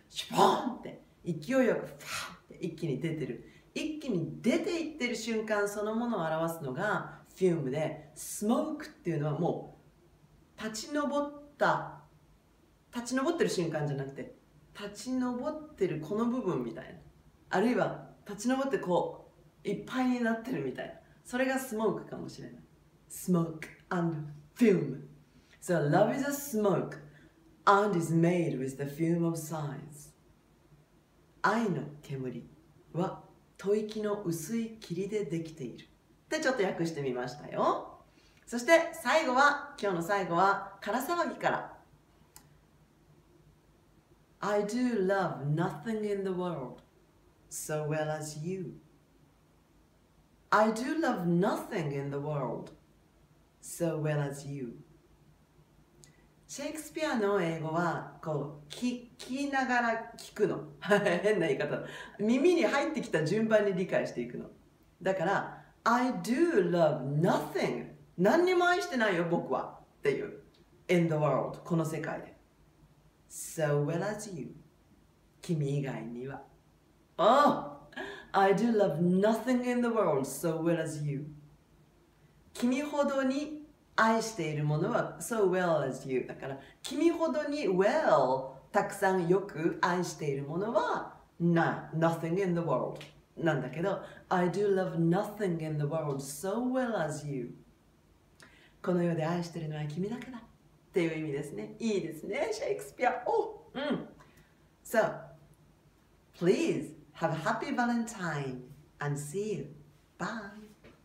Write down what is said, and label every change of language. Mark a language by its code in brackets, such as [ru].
[ja] シュポーンって勢いよくファーって一気に出てる、一気に出ていってる瞬間そのものを表すのがフュームで、スモークっていうのはもう立ち上った、立ち上ってる瞬間じゃなくて立ち上ってるこの部分みたいな、あるいは立ち上ってこういっぱいになってるみたいな、それがスモークかもしれない。 [en] スモーク and film. So love is a smoke and is made with the film of signs. [ja] 愛の煙は吐息の薄い霧でできているってちょっと訳してみましたよ。そして最後は、今日の最後は空騒ぎから。 [en] I do love nothing in the world so well as you. I do love nothing in the world so well as you. [ja] シェイクスピアの英語はこう聞きながら聞くの。変な言い方。耳に入ってきた順番に理解していくの。 [en] だから、I do love nothing. [ja] 何にも愛してないよ、僕は。っていう。 [en] In the world. [ja] この世界で。 [en] So well as you, [ja] 君以外には。Oh! [en] I do love nothing in the world so well as you. [ja] 君ほどに愛しているものは [en] so well as you. [ja] だから、君ほどに well、たくさんよく愛しているものは [en] nothing in the world [ja] なんだけど、 [en] I do love nothing in the world so well as you. [ja] この世で愛しているのは君だから。っていう意味ですね。いいですね、シェイクスピア。 [en] Oh, So, please have a happy Valentine and see you. Bye.